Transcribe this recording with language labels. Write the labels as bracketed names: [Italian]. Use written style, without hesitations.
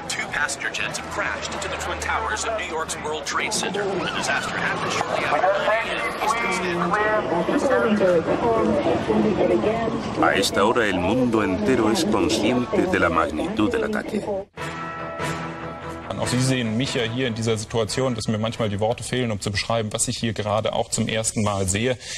[English] Passenger jets have crashed into the Twin Towers of New York's World Trade Center when a disaster happened shortly after. [Spanish] A esta hora, el mundo entero es consciente de la magnitud del ataque. [German] Auch Sie sehen mich ja hier in dieser Situation, dass mir manchmal die Worte fehlen, um zu beschreiben, was ich hier gerade auch zum ersten Mal sehe.